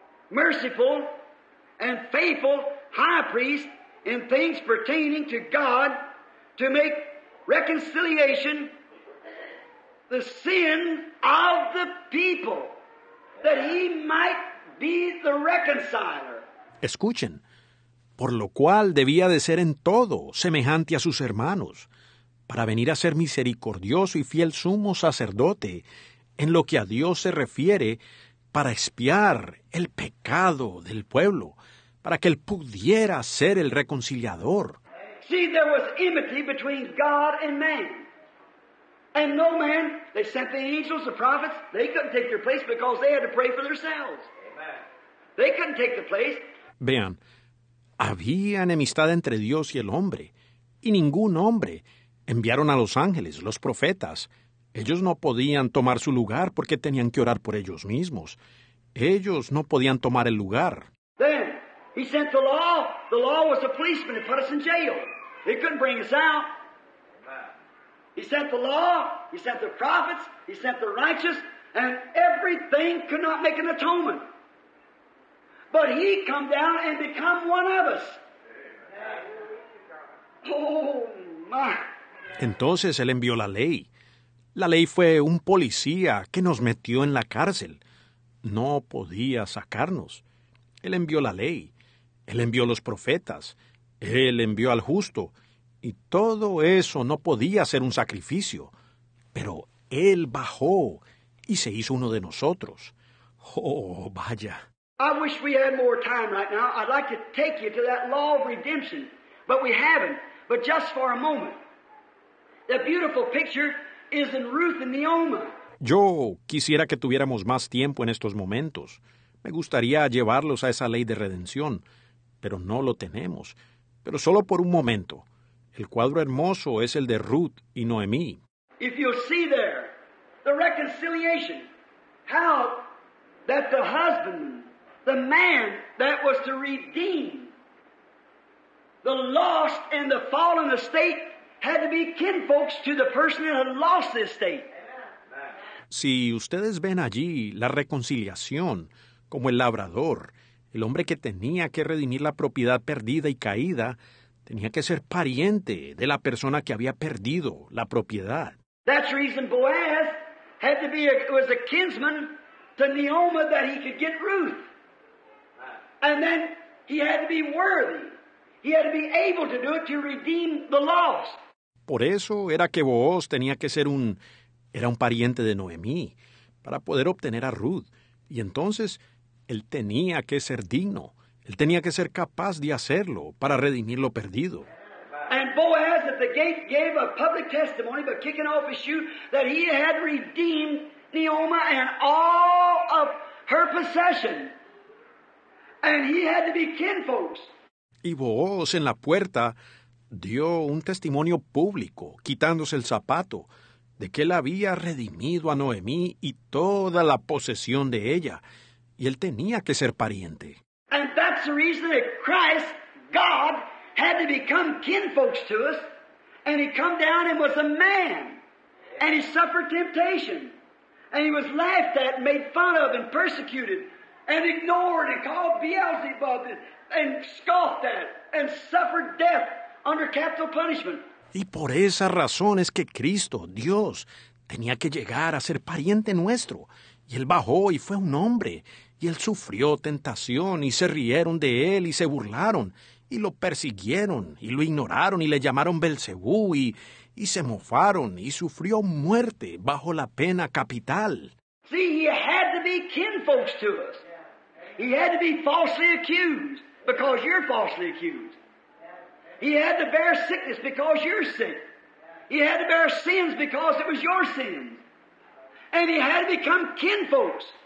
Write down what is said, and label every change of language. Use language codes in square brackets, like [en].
[en] merciful and faithful high priest in things pertaining to God to make reconciliation the sin of the people, that he might be the reconciler. [es] Escuchen, por lo cual debía de ser en todo semejante a sus hermanos, para venir a ser misericordioso y fiel sumo sacerdote en lo que a Dios se refiere, para expiar el pecado del pueblo, para que él pudiera ser el reconciliador. [en] See, there was enmity between God and man. And no man, they sent the angels, the prophets, they couldn't take their place because they had to pray for themselves. Amen. They couldn't take the place. [es] Vean, había enemistad entre Dios y el hombre, y ningún hombre enviaron a los ángeles, los profetas. Ellos no podían tomar su lugar porque tenían que orar por ellos mismos. Ellos no podían tomar el lugar. [en] Then, he sent the law. The law was a policeman. It put us in jail. They couldn't bring us out. He sent the law. He sent the prophets. He sent the righteous. And everything could not make an atonement. But he come down and become one of us. Oh, my. [es] Entonces él envió la ley. La ley fue un policía que nos metió en la cárcel. No podía sacarnos. Él envió la ley. Él envió los profetas. Él envió al justo. Y todo eso no podía ser un sacrificio. Pero él bajó y se hizo uno de nosotros. Oh, vaya. [en] I wish we had more time right now. I'd like to take you to that law of redemption. But we haven't. But just for a moment. The beautiful picture is in Ruth and Naomi. [es] Yo quisiera que tuviéramos más tiempo en estos momentos. Me gustaría llevarlos a esa ley de redención, pero no lo tenemos. Pero solo por un momento. El cuadro hermoso es el de Ruth y Noemí. [en] If you'll see there, the reconciliation, how that the husband, the man that was to redeem the lost and the fallen estate, had to be kinfolks to the person that had lost the estate. [es] Si ustedes ven allí la reconciliación, como el labrador, el hombre que tenía que redimir la propiedad perdida y caída, tenía que ser pariente de la persona que había perdido la propiedad. [en] That's the reason Boaz had to be was a kinsman to Naomi that he could get Ruth. And then he had to be worthy. He had to be able to do it to redeem the lost. [es] Por eso era que Boaz tenía que ser era un pariente de Noemí para poder obtener a Ruth. Y entonces él tenía que ser digno. Él tenía que ser capaz de hacerlo para redimir lo perdido. [en] And Boaz at the gate gave a public testimony by kicking off his shoe that he had redeemed Naomi and all of her possession. And he had to be kinfolks. [es] Y Boaz en la puerta dio un testimonio público, quitándose el zapato, de que él había redimido a Noemí y toda la posesión de ella. Y él tenía que ser pariente. [en] And that's the reason that Christ, God, had to become kinfolks to us. And he come down and was a man. And he suffered temptation. And he was laughed at and made fun of and persecuted and ignored and called Beelzebub and scoffed at and suffered death under capital punishment. [es] Y por esa razón es que Cristo, Dios, tenía que llegar a ser pariente nuestro. Y él bajó y fue un hombre. Y él sufrió tentación y se rieron de él y se burlaron. Y lo persiguieron y lo ignoraron y le llamaron Belcebú y se mofaron y sufrió muerte bajo la pena capital. [en] See, he had to be kinfolks to us. He had to be falsely accused because you're falsely accused. He had to bear sickness because you're sick. He had to bear sins because it was your sins. And he had to become kinfolks.